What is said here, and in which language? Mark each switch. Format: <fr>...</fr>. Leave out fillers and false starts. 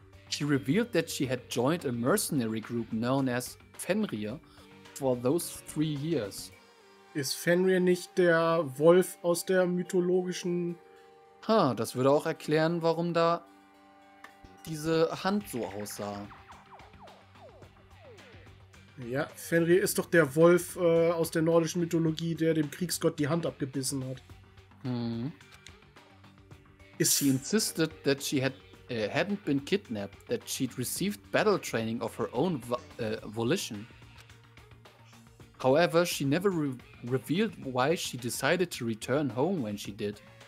<en>She revealed that she had joined a mercenary group known as Fenrir for those 3 years.</en> <de>Ist Fenrir nicht der Wolf aus der mythologischen... Ha, das würde auch erklären, warum da diese Hand so aussah. Ja, Fenrir ist doch der Wolf aus der nordischen Mythologie, der dem Kriegsgott die Hand abgebissen hat.</de> <en>She insisted that she hadn't been kidnapped, that she'd received battle training of her own volition. However, she never revealed why she decided to return home when she did.</en>